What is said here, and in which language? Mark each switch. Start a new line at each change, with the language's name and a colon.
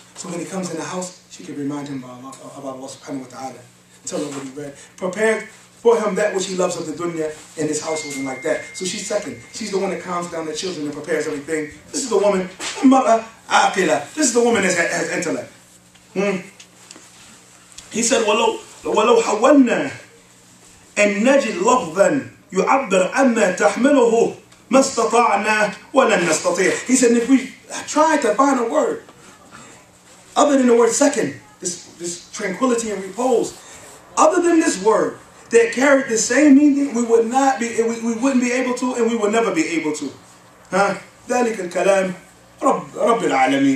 English: So when he comes in the house, she can remind him about Allah subhanahu wa ta'ala, tell him what he read, prepare for him that which he loves of the dunya and his household and like that. So she's second, she's the one that calms down the children and prepares everything. This is the woman, this is the woman that has intellect. He said,
Arabic: "ولو حولنا أن نجد لفظا يعبر عما تحمله ما استطعنا ولن نستطيع."
English: He said, "If we try to find a word other than the word second, this tranquility and repose, other than this word that carried the same meaning, we would not be, we wouldn't be able to, and we would never be able to."
Arabic: Huh? ذلك الكلام. Rabbil Alameen.